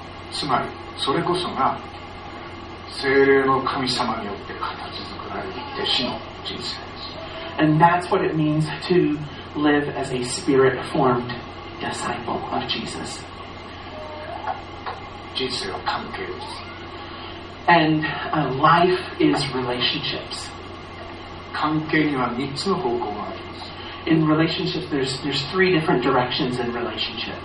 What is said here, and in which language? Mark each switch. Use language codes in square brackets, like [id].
[ja] つまり、それこそが聖霊の神様によって形作られる弟子の人生です。 [en] And that's what it means to live as a spirit-formed disciple of Jesus. [ja] 人生は関係です。 [en] And life is relationships. [ja] 関係には三つの方向があります。 [en] In relationships, there's three different directions in relationship.